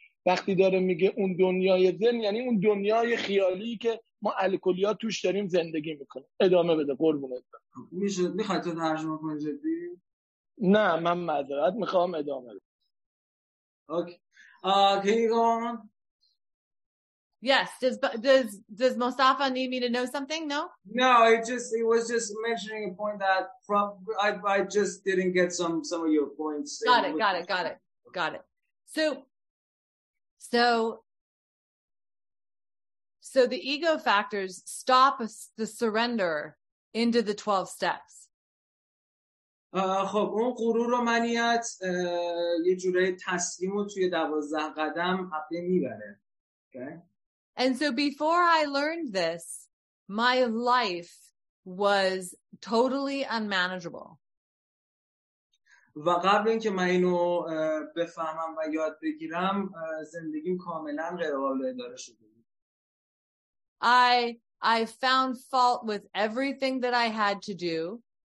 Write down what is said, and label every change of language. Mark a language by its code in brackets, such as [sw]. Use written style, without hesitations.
[fa] وقتی داره میگه اون دنیای ذهن، یعنی اون دنیای خیالی که ما الکلی‌ها توش داریم زندگی میکنیم. ادامه بده قربونت. میشه میخوای تو ترجمه کنی جدی؟ نه من معذرت میخوام، ادامه بده. اوکی. اوکی. [en] Yes, does Mustafa need me to know something? No? No, it was just mentioning a point that from I just didn't get some of your points. Got it. So the ego factors stop the surrender into the 12 steps. [fa] خب اون غرور و منیت یه جوری تسلیم رو توی 12 قدم عقب میبره. [en] Okay? And so before I learned this, my life was totally unmanageable. [fa] و قبل اینکه من اینو بفهمم و یاد بگیرم، زندگیم کاملا غیر قابل اداره شده بود. [en] I found fault with everything that I had to do.